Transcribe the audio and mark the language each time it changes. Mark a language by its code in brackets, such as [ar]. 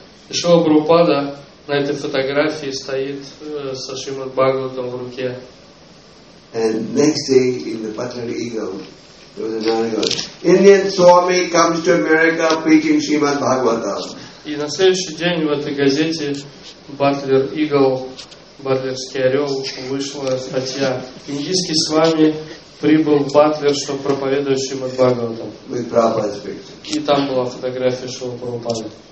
[ru] Шрила Прабхупада на этой фотографии стоит со Шримад Бхагаватом в руке. [en] And next day in the Butler Eagle there was an article: Indian Swami comes to America preaching Shrimad Bhagavatam. [ru] И на следующий день в этой газете Butler Eagle, Батлерский орел, вышла статья: Индийский Свами прибыл в Батлер, чтобы проповедовать Шримад Бхагаватам. И там была фотография Шрила Прабхупады.